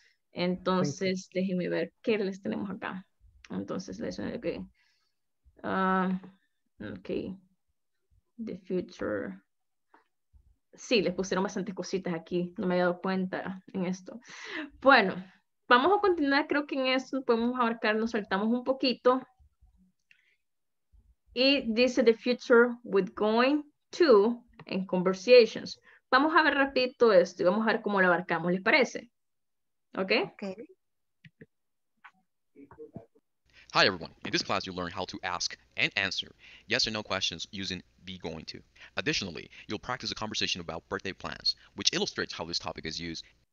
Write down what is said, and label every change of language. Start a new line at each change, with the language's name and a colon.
Spanish: Entonces, déjenme ver qué les tenemos acá. Entonces, les voy a decir que... ok. The future... Sí, les pusieron bastantes cositas aquí. No me había dado cuenta en esto. Bueno... Vamos a continuar, creo que en esto podemos abarcar, nos saltamos un poquito.
English: Y dice the future with going to in conversations.
Spanish: Vamos a ver rapidito esto y vamos a ver cómo lo abarcamos, ¿les parece?
English: Okay? Okay. Hi everyone. In this class you'll learn how to ask and answer yes or no questions using be going to. Additionally, you'll practice a conversation about birthday plans, which illustrates how this topic is used.